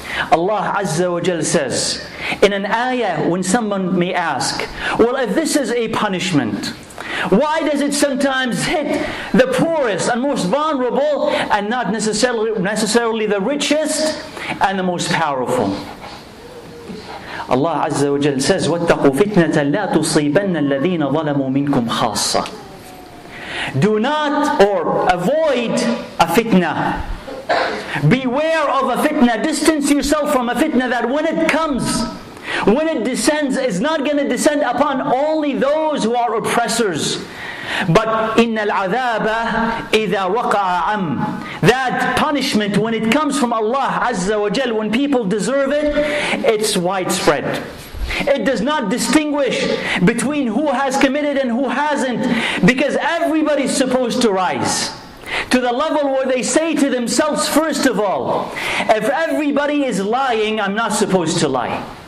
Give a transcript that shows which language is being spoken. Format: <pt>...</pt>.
<en>Allah Azza wa Jal says, in an ayah, when someone may ask, well, if this is a punishment, why does it sometimes hit the poorest and most vulnerable and not necessarily the richest and the most powerful?</en> <ar>Allah Azza wa Jal says, وَاتَّقُوا فِتْنَةً لَا تُصِيبَنَّ الَّذِينَ ظَلَمُوا مِنْكُمْ خَاصَّةً.</ar> <en>Do not, or avoid a fitna. Beware of a fitna. Distance yourself from a fitna that when it comes, when it descends, is not going to descend upon only those who are oppressors. But</en> <ar>إِنَّ الْعَذَابَ إِذَا وَقَعَ عَمْ.</ar> <en>That punishment, when it comes from Allah Azza wa Jal, when people deserve it, it's widespread. It does not distinguish between who has committed and who hasn't, because everybody's supposed to rise. To the level where they say to themselves, first of all, if everybody is lying, I'm not supposed to lie.</en>